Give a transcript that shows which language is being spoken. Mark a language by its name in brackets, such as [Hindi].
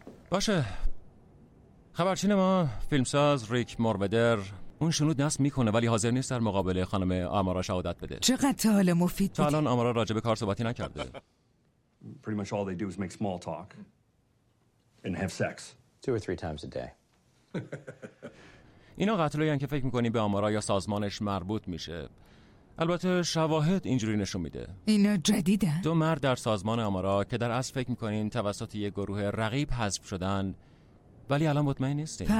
[Persian] باشه. خبرچین ما، فیلمساز ریک مورودر، اون شنود نصب میکنه ولی حاضر نیست در مقابل خانم آمارا شهادت بده. چقدر تعال مفید بود. الان آمارا راجع به کار صحبتی نکرده. [English] Pretty much all they do is make small talk and have sex two or three times a day. [Persian] اینا قتلایی هستن که فکر میکنی به آمارا یا سازمانش مربوط میشه. البته شواهد اینجوری نشون میده. اینا جدیدن. دو مرد در سازمان آمارا که در اصل فکر میکنین توسط یک گروه رقیب حذف شدن. ولی الان مطمئن نیستیم.